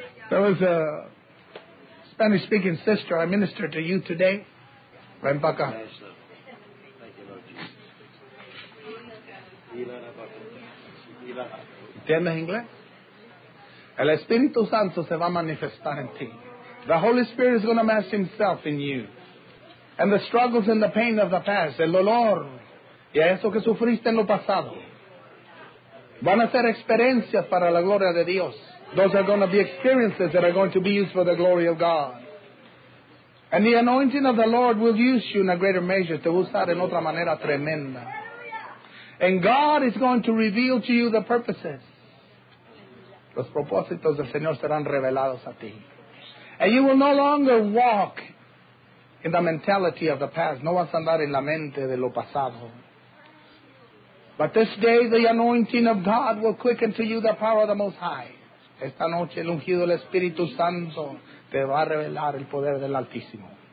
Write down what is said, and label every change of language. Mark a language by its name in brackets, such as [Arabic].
[English] There was a Spanish-speaking sister I ministered to you today. Ven pa acá. [Spanish] ¿Entiendes inglés? El Espíritu Santo se va a manifestar en ti. [English] The Holy Spirit is going to manifest himself in you. [Spanish] And the struggles and the pain of the past, el dolor, y eso que sufriste en lo pasado, van a ser experiencias para la gloria de Dios. [English] Those are going to be experiences that are going to be used for the glory of God. And the anointing of the Lord will use you in a greater measure, te va a usar en otra manera tremenda. And God is going to reveal to you the purposes. [Spanish] Los propósitos del Señor serán revelados a ti. [English] And you will no longer walk in the mentality of the past. No vas a andar en la mente de lo pasado. But this day the anointing of God will quicken to you the power of the Most High. [Spanish] Esta noche el ungido del Espíritu Santo te va a revelar el poder del Altísimo.